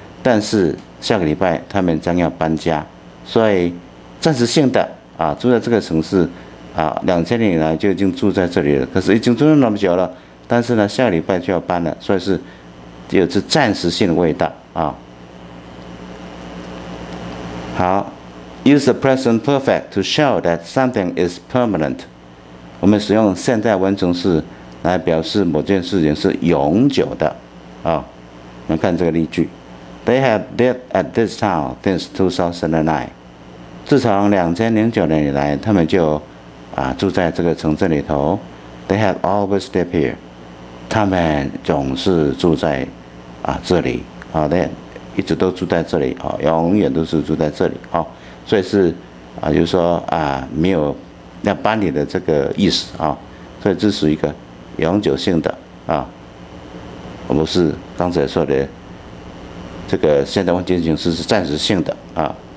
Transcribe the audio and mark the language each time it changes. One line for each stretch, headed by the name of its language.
Chinese: 但是下个礼拜他们将要搬家，所以暂时性的啊，住在这个城市啊，2000年以来就已经住在这里了。可是已经住了那么久了，但是呢，下个礼拜就要搬了，所以是有着暂时性的味道。
English: 好 ，use the present perfect to show that something is permanent。
Chinese: 我们使用现在完成式来表示某件事情是永久的。我们看这个例句
English: ：They have lived at this town since 2009。
Chinese: 自从2009年以来，他们就住在这个城镇里头。
English: They have always lived here。
Chinese: 他们总是住在这里。好的，一直都住在这里啊，永远都是住在这里啊，所以是就是说没有要搬离的这个意思啊，所以这是一个永久性的啊，我们是刚才说的这个现在完成形式是暂时性的啊。